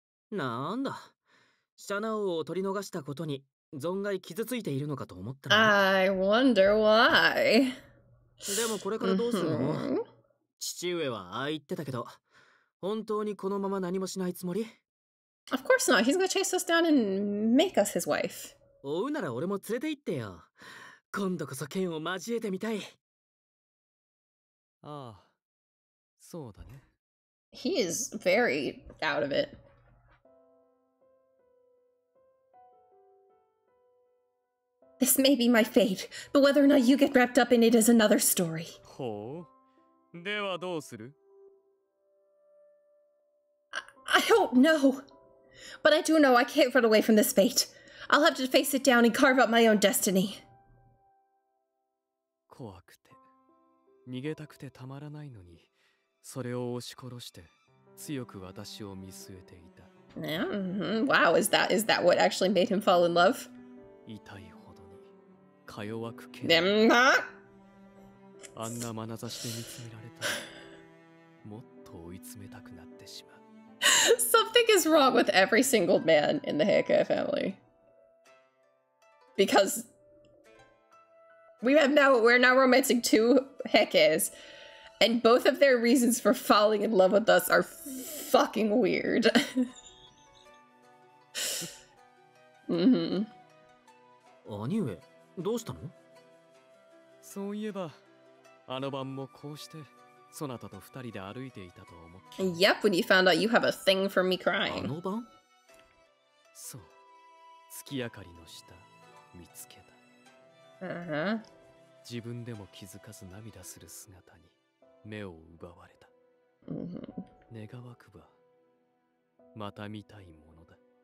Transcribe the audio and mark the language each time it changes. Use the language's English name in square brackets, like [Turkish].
[Japanese] なんだ、シャナ王を取り逃したことに存外傷ついているのかと思ったら。 [English] I wonder why。 [Japanese] でもこれからどうするの？父上はああ言ってたけど、本当にこのまま何もしないつもり？ [English] Of course not. He's gonna chase us down and make us his wife. [Japanese] 追うなら俺も連れて行ってよ。今度こそ剣を交えてみたい。ああ、そうだね。 [English] He is very out of it. This may be my fate, but whether or not you get wrapped up in it is another story. [Japanese] ほう、ではどうする？ [English] I hope no. But I do know I can't run away from this fate. I'll have to face it down and carve out my own destiny. [Japanese] 怖くて逃げたくてたまらないのに、それを押し殺して強く私を見据えていた。 [English] Wow, is that what actually made him fall in love? [Japanese] 痛いほどにか弱くけ。でも、あんな眼差しで見つめられたら、もっと追い詰めたくなってしまう。 [English] Something is wrong with every single man in the Heike family. BecauseWe're now romancing two Hekes, and both of their reasons for falling in love with us are fucking weird. Anyway, [Japanese] どうしたの？そういえば、あの晩もこうして、そなたと二人で歩いていたと思った。 [English] Yep, when you found out you have a thing for me crying. [Japanese] あの晩？そう、月明かりの下、見つけた。自分でも気づかず涙する姿に目を奪われた。願わくばまた見たいものだ。